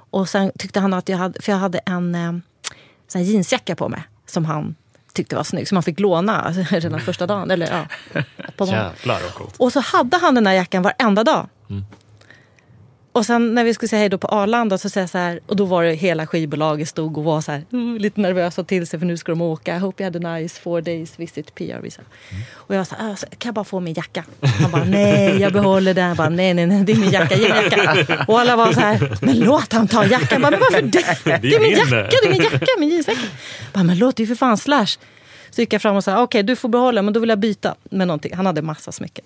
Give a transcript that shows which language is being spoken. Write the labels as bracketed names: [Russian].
[Swedish] Och sen tyckte han att jag hade en sån jeansjacka på mig som han tyckte var snygg, som han fick låna redan första dagen. Eller, ja, på jävlar vad coolt. Och så hade han den här jackan varenda dag. Och sen när vi skulle säga hej då på Arlanda så säger jag så här, och då var det hela skivbolaget stod och var så här lite nervösa till sig, för nu ska de åka. [English] I hope you had a nice 4 days visit PR visa. [Swedish] Mm. Och jag sa, kan jag bara få min jacka? Han bara, nej, jag behåller den. Jag bara, nej, det är min jacka, ge min jacka. Och alla var så här, men låt han ta jackan. Bara, men varför det? Det är min jacka, min jeansjacka. Bara, men låt det ju för fan Slash. Så gick jag fram och sa, okej, du får behålla, men då vill jag byta med någonting. Han hade massa smycken.